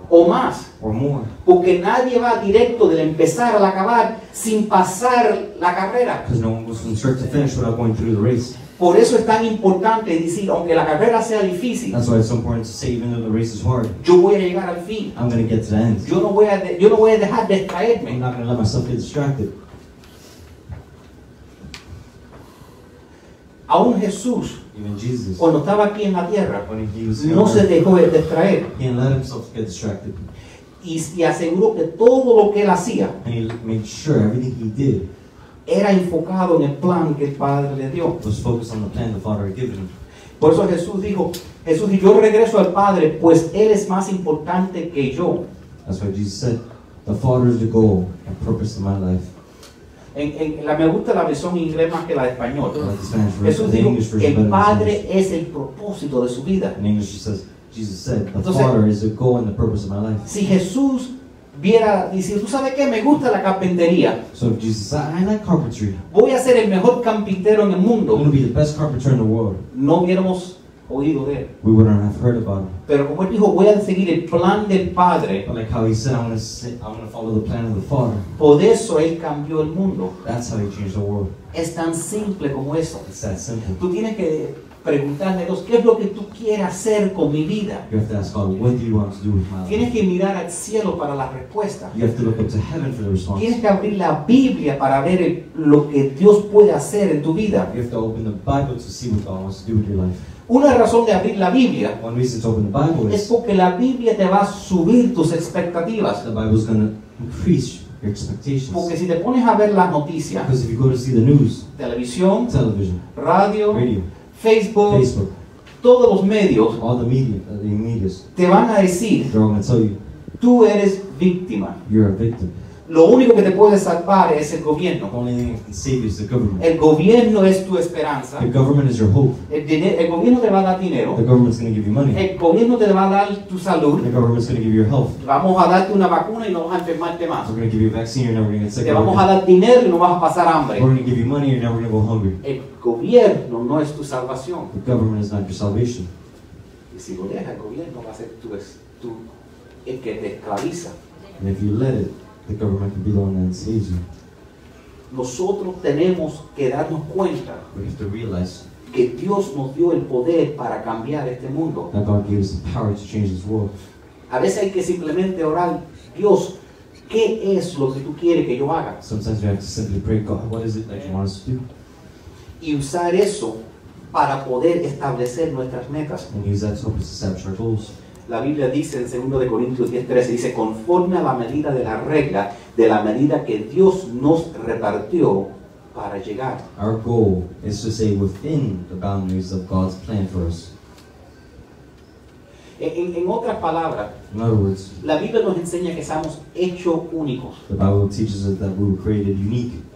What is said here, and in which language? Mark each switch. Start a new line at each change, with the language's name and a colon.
Spanish: O más.
English: Or more.
Spanish: Porque nadie va directo del empezar al acabar sin pasar la carrera.
English: Because no one goes from start to finish without going through the race.
Spanish: Por eso es tan importante decir, aunque la carrera sea difícil,
English: that's why it's so important to say, even though the race is hard,
Spanish: yo voy a llegar al fin.
English: I'm going to get to the end.
Spanish: Yo no voy a dejar de distraerme.
English: I'm not going to let myself get distracted.
Spanish: Aún Jesús,
English: even Jesus,
Spanish: cuando estaba aquí en la tierra, no se dejó de distraer.
English: He didn't let himself get distracted.
Spanish: Y aseguró que todo lo que él hacía,
English: and he made sure everything he did,
Spanish: era enfocado en el plan que el Padre le dio.
English: Was focused on the plan the Father had given him.
Spanish: Por eso Jesús dijo, Jesús dijo, yo regreso al Padre, pues Él es más importante que yo.
English: That's why Jesus said, the Father is the goal and purpose of my life.
Spanish: Me gusta la versión inglés más que la español.
English: Like
Spanish: Jesús dijo, el Padre es el propósito de su vida.
English: In English it says, Jesus said, the Entonces, Father is the goal and the purpose of my life.
Spanish: Si Jesús viera, dice, ¿tú sabes qué? Me gusta la carpintería.
English: So Jesus said, I like carpentry.
Spanish: Voy a ser el mejor carpintero en el mundo.
English: I'm going to be the best carpenter in the world.
Spanish: No hubiéramos oído de él.
English: We wouldn't have heard about him.
Spanish: Pero como él dijo, voy a seguir el plan del Padre.
English: But like how he said, I'm going to follow the plan of the Father.
Spanish: Por eso él cambió el mundo.
English: That's how he changed the world.
Spanish: Es tan simple como eso.
English: It's that simple.
Spanish: Tú tienes que preguntarle a Dios, ¿qué es lo que tú quieres hacer con mi vida?
English: You have to ask God, what do you want to do with my life?
Spanish: Tienes que mirar al cielo para la respuesta.
English: You have to look up to heaven for the response.
Spanish: Tienes que abrir la Biblia para ver lo que Dios puede hacer en tu vida.
English: You have to open the Bible to see what God wants to do with your life.
Spanish: Una razón de abrir la Biblia,
English: one reason to open the Bible is,
Spanish: es porque la Biblia te va a subir tus expectativas.
English: The Bible is going to increase your expectations.
Spanish: Porque si te pones a ver las noticias,
English: because if you go to see the news, television, radio,
Spanish: Facebook, todos los medios,
English: all the media, the medias,
Spanish: te van a decir,
English: they're going to tell you,
Spanish: tú eres víctima.
English: You're a victim.
Spanish: Lo único que te puede salvar es el gobierno.
English: The only thing that can save you is the government.
Spanish: El gobierno es tu esperanza.
English: The government is your hope.
Spanish: El gobierno te va a dar dinero.
English: The government's going to give you money.
Spanish: El gobierno te va a dar tu salud.
English: The government's going to give you your health.
Spanish: Vamos a darte una vacuna y no vas a enfermarte más.
English: We're going to give you a vaccine, you're never going to get sick.
Spanish: Te vamos a dar dinero y no vas a pasar hambre.
English: We're going to give you money, you're never going to go hungry.
Spanish: El gobierno no es tu salvación.
English: The government is not your salvation.
Spanish: Y si lo dejas, el gobierno va a ser tú el que te esclaviza.
English: And if you let it, the government can be the one that saves you.
Spanish: Nosotros tenemos que darnos cuenta.
English: We have to realize
Spanish: que Dios nos dio el poder para cambiar este mundo.
English: That God gave us the power to change this world.
Spanish: A veces hay que simplemente orar, Dios, ¿qué es lo que tú quieres que yo haga?
English: Sometimes we have to simply pray, God, what is it that you want us to do?
Spanish: Y usar eso para poder establecer nuestras metas.
English: And use that to help us establish our goals.
Spanish: La Biblia dice en 2 Corintios 10:13, dice, conforme a la medida de la regla, de la medida que Dios nos repartió para llegar.
English: Our goal is to stay within the boundaries of God's plan for us.
Spanish: En otras palabras,
English: in other words,
Spanish: la Biblia nos enseña que somos hechos únicos.
English: The Bible teaches us that we were created unique.